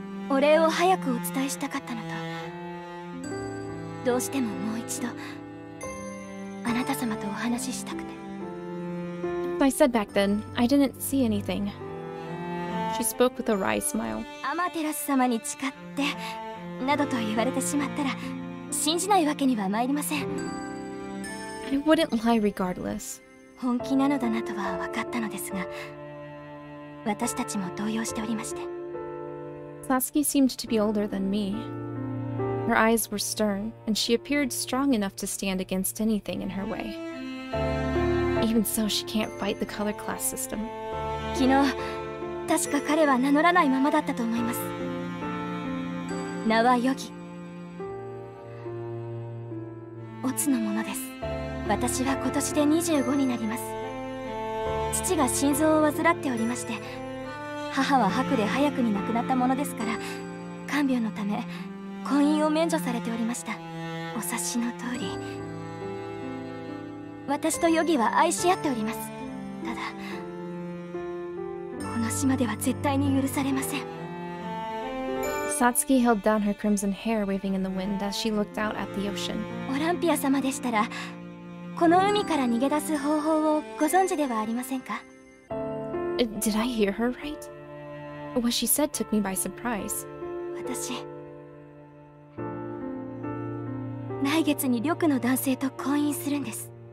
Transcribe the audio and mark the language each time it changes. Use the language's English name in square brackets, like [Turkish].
[Japanese] お礼を早くお伝えしたかったのと、どうしてももう一度あなた様とお話ししたくて。 [English] I said back then, I didn't see anything. She spoke with a wry smile. [Japanese] アマテラス様に誓ってなどと言われてしまったら、信じないわけにはまいりません。 [English] I wouldn't lie regardless. [Japanese] 本気なのだなとは分かったのですが、私たちも動揺しておりまして。 [English] Sasuke seemed to be older than me. Her eyes were stern, and she appeared strong enough to stand against anything in her way. Even so, she can't fight the color class system. [Japanese] 昨日、確か彼は名乗らないままだったと思います。名はヨギ。オツの者です。私は今年で25になります。父が心臓を患っておりまして、母は白で早くに亡くなったものですから、看病のため婚姻を免除されておりました。お察しの通り、私とヨギは愛し合っております。ただ、この島では絶対に許されません。 [English] Satsuki held down her crimson hair waving in the wind as she looked out at the ocean. [Japanese] オランピア様でしたら、この海から逃げ出す方法をご存知ではありませんか？ [English] Did I hear her right? What she said took me by surprise. [Japanese] 私、来月に緑の男性と婚姻するんです。